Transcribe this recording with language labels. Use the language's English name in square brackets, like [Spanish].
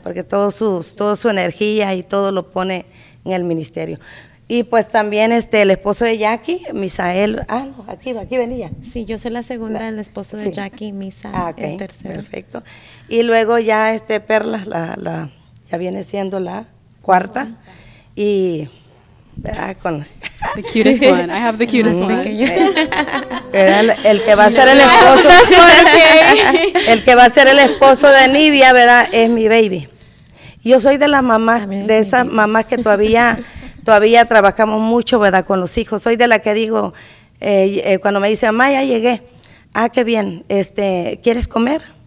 [Spanish] Porque toda su energía y todo lo pone en el ministerio. Y pues también el esposo de Jackie, Misael. Aquí venía. Sí, yo soy la segunda, el esposo de Jackie, Misael, el tercero. Perfecto. Y luego ya Perla, la ya viene siendo la cuarta. Y. [English] The cutest one. I have the cutest one. [Spanish] El que va a ser el esposo. El que va a ser el esposo de Nivia, ¿verdad? Es mi baby. Yo soy de las mamás, de esas mamás que todavía trabajamos mucho, ¿verdad?, con los hijos. Soy de la que digo, cuando me dice, mamá, ya llegué. Ah, qué bien. ¿Quieres comer?